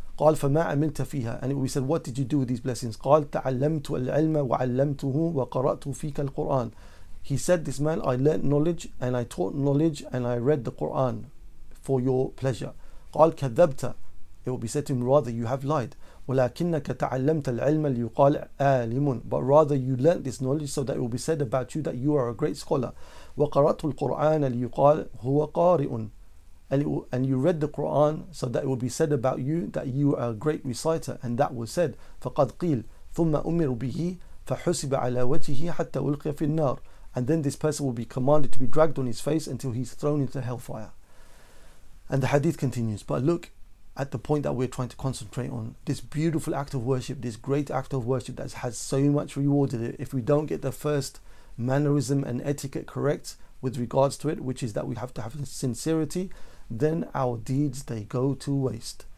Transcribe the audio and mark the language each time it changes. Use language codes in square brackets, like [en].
[ar] قال فَمَا عَمِلْتَ فِيهَا. [en] And it will be said, what did you do with these blessings? [ar] قال تَعَلَّمْتُ الْعِلْمَ وَعَلَّمْتُهُ وَقَرَأْتُ فِيكَ الْقُرْآنَ. [en] He said, this man, I learned knowledge and I taught knowledge and I read the Quran for your pleasure. [ar] قال كَذَّبْتَ. [en] It will be said to him, rather you have lied. [ar] ولكنك تعلمت العلم ليقال عالم. [en] But rather you learnt this knowledge so that it will be said about you that you are a great scholar. [ar] وقرأت القرآن ليقال هو قارئ. [en] And you read the Quran so that it will be said about you that you are a great reciter. And that was said. [ar] فقد قيل ثم أمر به فحسب على وجهه حتى ألقي في النار. [en] And then this person will be commanded to be dragged on his face until he's thrown into hellfire. And the hadith continues. But look at the point that we're trying to concentrate on, this beautiful act of worship, this great act of worship that has so much reward in it. If we don't get the first mannerism and etiquette correct with regards to it, which is that we have to have sincerity, then our deeds, they go to waste.